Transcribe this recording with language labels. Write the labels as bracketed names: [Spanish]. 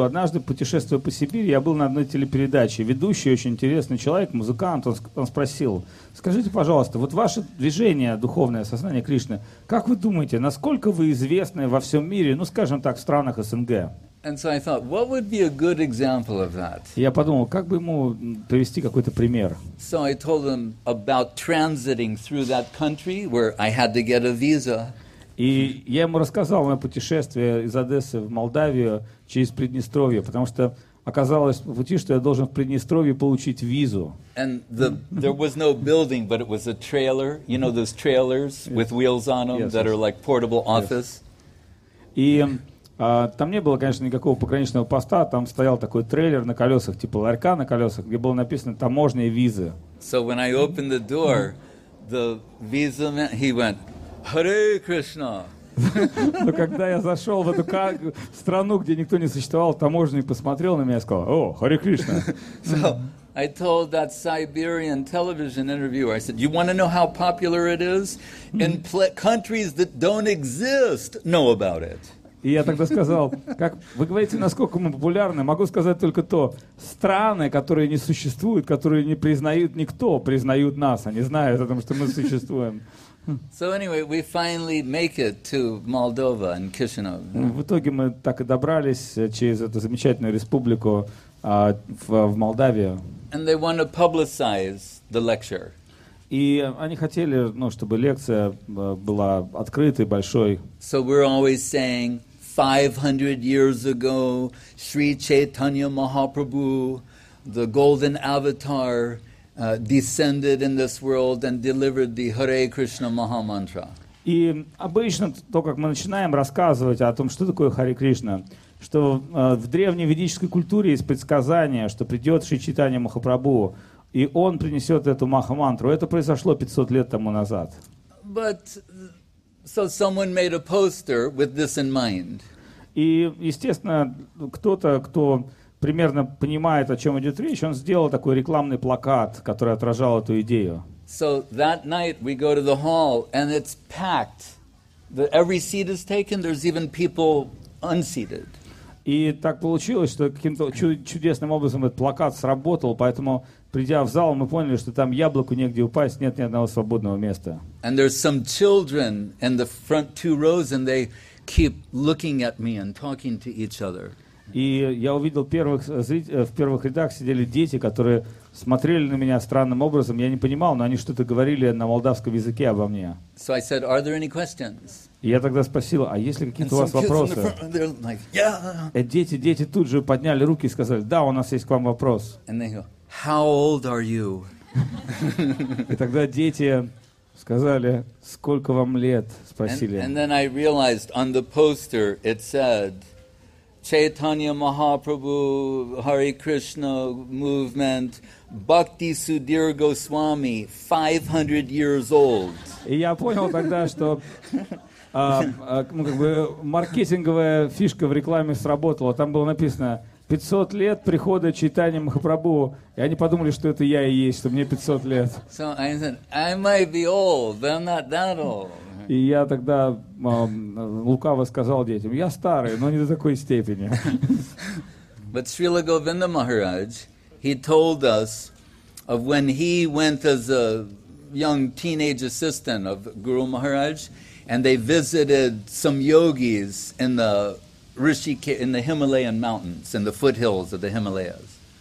[Russian] Однажды, путешествуя по Сибири, я был на одной телепередаче. Ведущий, очень интересный человек, музыкант, он спросил, скажите, пожалуйста, вот ваше движение духовное, сознание Кришны, как вы думаете, насколько вы известны во всем мире, ну, скажем так, в странах СНГ? [English] And so I thought, what would be a good example of that? [Russian] Я подумал, как бы ему привести какой-то пример. [English] So I told him about transiting through that country where I had to get a visa. [Russian] И я ему рассказал мое путешествие из Одессы в Молдавию через Приднестровье, потому что оказалось по пути, что я должен в Приднестровье получить визу. [English] And the, there was no building, but it was a trailer. You know those trailers with wheels on them that are like portable office. [Russian] И там не было, конечно, никакого пограничного поста. Там стоял такой трейлер на колесах, типа ларька на колесах, где было написано «таможня и виза». [English] So when I opened the door, the visa man, he went, Hare Krishna. [Russian] Но когда я зашел в эту страну, где никто не существовал, таможенник посмотрел на меня и сказал, о, Hare Krishna. [English] So I told that Siberian television interviewer, I said, you want to know how popular it is? In countries that don't exist know about it. [Russian] И я тогда сказал, как вы говорите, насколько мы популярны, могу сказать только то, страны, которые не существуют, которые не признают никто, признают нас, они знают о том, что мы существуем. [English] So anyway, we finally make it to Moldova and Kishinev. [Russian] В итоге мы так и добрались через эту замечательную республику в Молдавию. [English] And they want to publicize the lecture. [Russian] И они хотели, ну, чтобы лекция была открытой, большой. [English] So we're always saying 500 years ago, Sri Chaitanya Mahaprabhu, the golden avatar, descended in this world and delivered the Hare Krishna Maha Mantra. [Russian] И обычно то, как мы начинаем рассказывать о том, что такое Hare Krishna, что в древней ведической культуре есть предсказание, что придет Шри Чайтанья Махапрабху, и он принесет эту Маха Мантру. Это произошло 500 лет тому назад. [English] But so someone made a poster with this in mind. [Russian] И, естественно, кто-то, кто примерно понимает, о чем идет речь, он сделал такой рекламный плакат, который отражал эту идею. [English] So that night we go to the hall and it's packed. Every seat is taken, there's even people unseated. [Russian] И так получилось, что каким-то чудесным образом этот плакат сработал, поэтому, придя в зал, мы поняли, что там яблоку негде упасть, нет ни одного свободного места. [English] And there's some children in the front two rows and they keep looking at me and talking to each other. [Russian] И я увидел в первых рядах сидели дети, которые смотрели на меня странным образом. Я не понимал, но они что-то говорили на молдавском языке обо мне. [English] So I said, are there any questions? [Russian] И я тогда спросил, а есть ли какие-то у вас вопросы? [English] And some kids in the front, they're like, yeah. [Russian] Дети тут же подняли руки и сказали, да, у нас есть к вам вопрос. [English] And they go, how old are you? [Russian] И тогда дети сказали, сколько вам лет, спросили. [English] And then I realized on the poster it said, Chaitanya Mahaprabhu, Hare Krishna movement, Bhakti Sudhir Goswami, 500 years old. [Russian] И я понял тогда, что маркетинговая фишка в рекламе сработала. Там было написано 500 лет прихода Чайтаньи Махапрабху. И они подумали, что это я и есть, что мне 500 лет. [English] So I said, I might be old, but I'm not that old. [Russian] И я тогда лукаво сказал детям, я старый, но не до такой степени. [English] But Srila Govinda Maharaj, he told us of when he went as a young teenage assistant of Guru Maharaj, and they visited some yogis in the Himalayan mountains, in the foothills of the Himalayas.